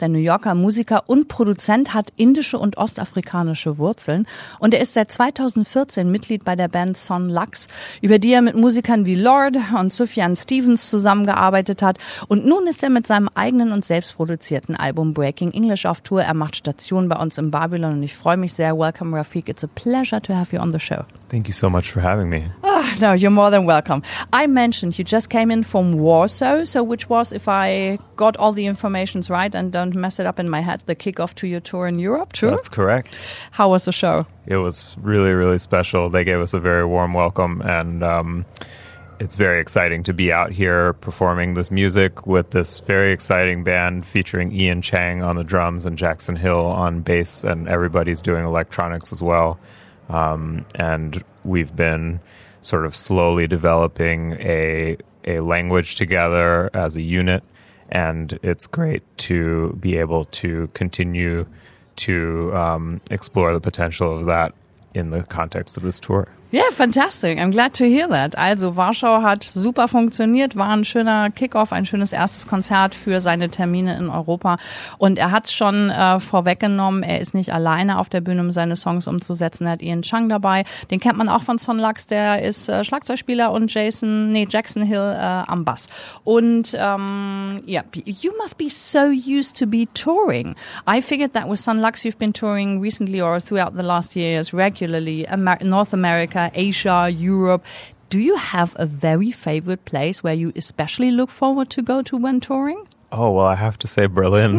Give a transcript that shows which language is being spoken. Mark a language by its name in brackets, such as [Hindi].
[German] Der New Yorker Musiker und Produzent hat indische und ostafrikanische Wurzeln. Und er ist seit 2014 Mitglied bei der Band Son Lux, über die er mit Musikern wie Lord und Sufjan Stevens zusammengearbeitet hat. Und nun ist er mit seinem eigenen und selbstproduzierten Album Breaking English auf Tour. Er macht Station bei uns im Babylon und ich freue mich sehr. [English] Welcome, Rafik. It's a pleasure to have you on the show. Thank you so much for having me. Oh, no, you're more than welcome. I mentioned you just came in from Warsaw, so which was, if I got all the informations right and don't mess it up in my head, the kickoff to your tour in Europe, true? That's correct. How was the show? It was really, really special. They gave us a very warm welcome and it's very exciting to be out here performing this music with this very exciting band featuring Ian Chang on the drums and Jackson Hill on bass, and everybody's doing electronics as well. And we've been sort of slowly developing a language together as a unit, and it's great to be able to continue to explore the potential of that in the context of this tour. Yeah, fantastic. I'm glad to hear that. [German] Also, Warschau hat super funktioniert, war ein schöner Kickoff, ein schönes erstes Konzert für seine Termine in Europa. Und er hat es schon vorweggenommen, er ist nicht alleine auf der Bühne, um seine Songs umzusetzen. Er hat Ian Chang dabei, den kennt man auch von Son Lux, der ist Schlagzeugspieler, und Jackson Hill am Bass. [English] Und you must be so used to be touring. I figured that with Son Lux you've been touring recently or throughout the last years regularly, North America, Asia, Europe. Do you have a very favorite place where you especially look forward to go to when touring? Oh, well, I have to say Berlin.